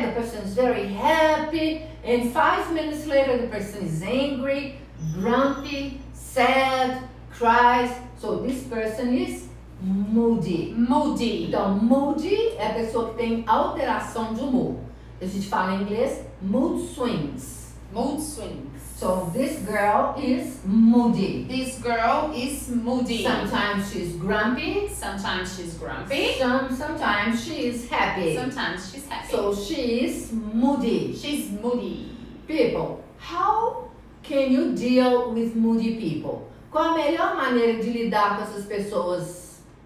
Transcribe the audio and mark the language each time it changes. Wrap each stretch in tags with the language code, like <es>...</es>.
<en>The person is very happy, and 5 minutes later the person is angry, grumpy, sad, cries. So this person is moody. Moody.</en> <pt>Então, moody é a pessoa que tem alteração de humor. A gente fala em inglês mood swings.</pt> <en>Mood swings. So this girl is moody. This girl is moody. Sometimes she's grumpy. Sometimes she's grumpy. Sometimes she is happy. Sometimes she's happy. So she is moody. She's moody. People, how can you deal with moody people?</en> <pt>Qual a melhor maneira de lidar com essas pessoas?</pt>